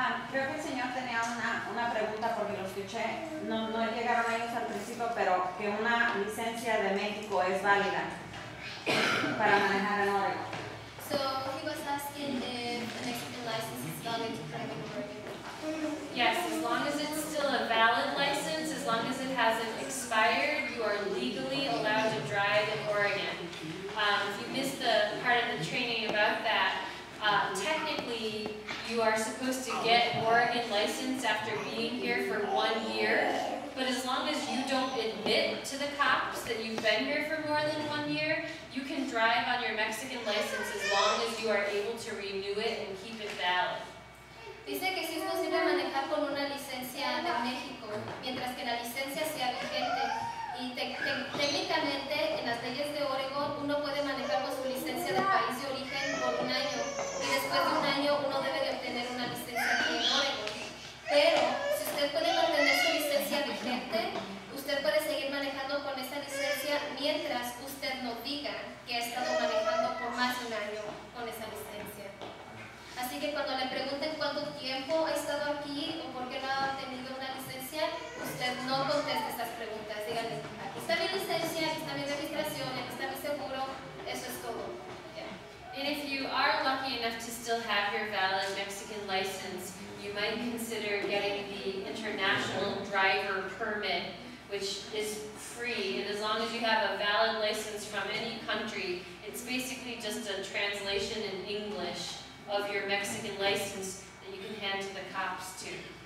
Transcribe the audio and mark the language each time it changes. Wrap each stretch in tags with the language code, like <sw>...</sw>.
<es>Creo que el señor tenía una pregunta porque lo escuché. No llegaron ellos al principio, pero que una licencia de México es válida para manejar en Oregon.</es> <en>So he was asking if the Mexican license is valid to drive in Oregon. Yes, as long as it's still a valid license, as long as it hasn't expired, you are legally allowed to drive in Oregon. If you missed the part of the training about that, technically, you are supposed to get Oregon license after being here for 1 year, but as long as you don't admit to the cops that you've been here for more than 1 year, you can drive on your Mexican license as long as you are able to renew it and keep it valid.</en> <es>Dice que sí es posible manejar con una licencia de México, mientras que la licencia sea vigente. Y técnicamente, en las leyes de Oregon, uno puede manejar con su licencia del país de origen por un año. Y después de un año, uno debe de obtener una licencia aquí en Oregon. Pero, si usted puede mantener su licencia vigente, usted puede seguir manejando con esa licencia mientras usted no diga que ha estado manejando por más de un año con esa licencia. Así que cuando le pregunten cuánto tiempo ha estado aquí o por qué no ha tenido una licencia, usted no conteste estas preguntas. Díganle, aquí está mi licencia, aquí está mi registración, aquí está mi seguro, eso es todo.</es> <en>And if you are lucky enough to still have your valid Mexican license, you might consider getting the international driver permit, which is free, and as long as you have a valid license from any country, it's basically just a translation in English of your Mexican license that you can hand to the cops too.</en>